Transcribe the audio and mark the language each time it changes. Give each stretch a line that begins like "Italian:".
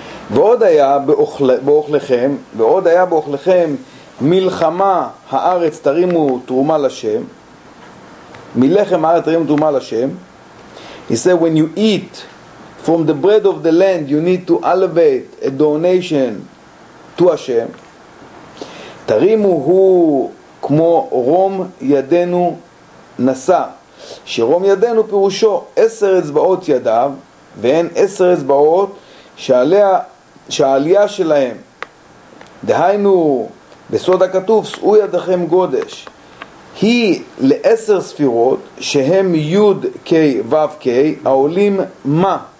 Hebrew: ועוד היה באוכלכם, ועוד היה באוכלכם מלחמה הארץ תרימו תרומה לשם, מלחם הארץ תרימו תרומה לשם.
English: He said, when you eat from the bread of the land, you need to elevate a donation to Hashem.
Hebrew: תרימו הוא כמו רום ידינו נשא, שרום ידינו פירושו עשר אצבעות ידיו, והן עשר אצבעות שעליה, שהעלייה שלהם, דהיינו בסוד הכתוב, שאו ידכם גודש, היא לעשר ספירות שהם יוד קי וו קי, העולים מה,